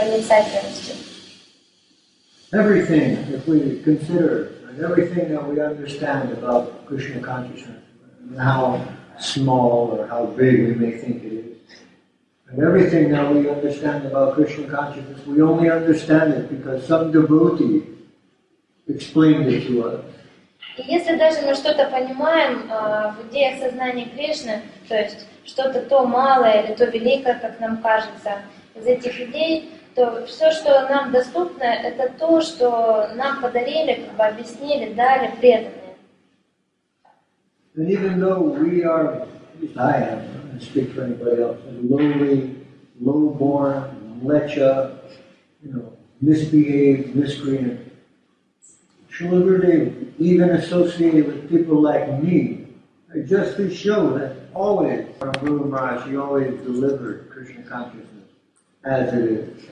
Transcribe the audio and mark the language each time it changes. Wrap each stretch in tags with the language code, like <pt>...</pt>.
<en>everything, if we consider and everything that we understand about Krishna consciousness, and how small or how big we may think it is, and everything that we understand about Krishna consciousness, we only understand it because some devotee explained it to us.</en> <ru>И если даже мы что-то понимаем в идеях сознания Кришны, то есть что-то то малое или то великое, как нам кажется, из этих идей, то все, что нам доступно, это то, что нам подарили, как бы объяснили, дали преданные.</ru> <en>And even though we are, at least I am, I don't speak for anybody else, lowly, low-born, lecha, you know, misbehaved, miscreant, Srila Gurudev, even associated with people like me, just to show that always, from Guru Maharaj, he always delivered Krishna consciousness as it is.</en>